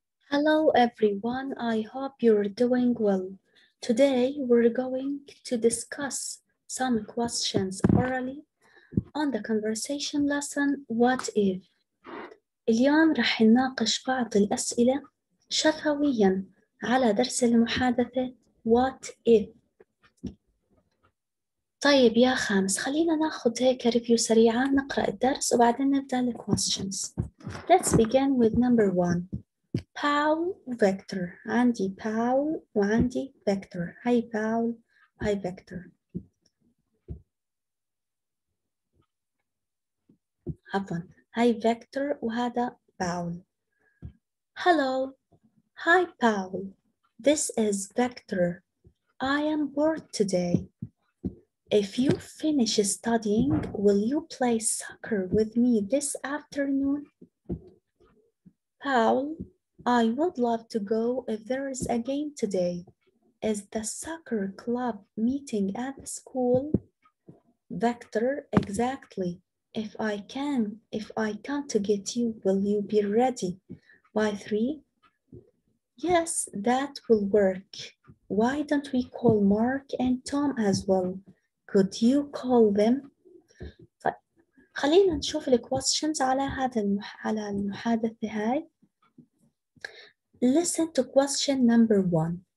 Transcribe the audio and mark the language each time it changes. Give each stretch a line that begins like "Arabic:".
English: Hello everyone, I hope you're doing well. Today we're going to discuss some questions orally on the conversation lesson What If.
Arabic: اليوم راح نناقش بعض الأسئلة شفوياً على درس المحادثة What If. طيب يا خامس خلينا ناخد هيك ريفيو سريعة نقرأ الدرس وبعدين نبدأ الكويستشنز.
English: Let's begin with number one. Paul Vector.
Arabic: عندي Paul وعندي Vector.
English: Hi Paul. Hi Vector.
Arabic: عفوا. Hi Vector وهذا Paul.
English: Hello. Hi Paul. This is Vector. I am bored today. If you finish studying, will you play soccer with me this afternoon? Paul. I would love to go if there is a game today. Is the soccer club meeting at the school? Vector, exactly. If I come to get you, will you be ready by 3? Yes, that will work. Why don't we call Mark and Tom as well? Could you call them?
Arabic: خلينا نشوف الكويستشنز على هذا على المحادثة هاي.
English: Listen to question number one.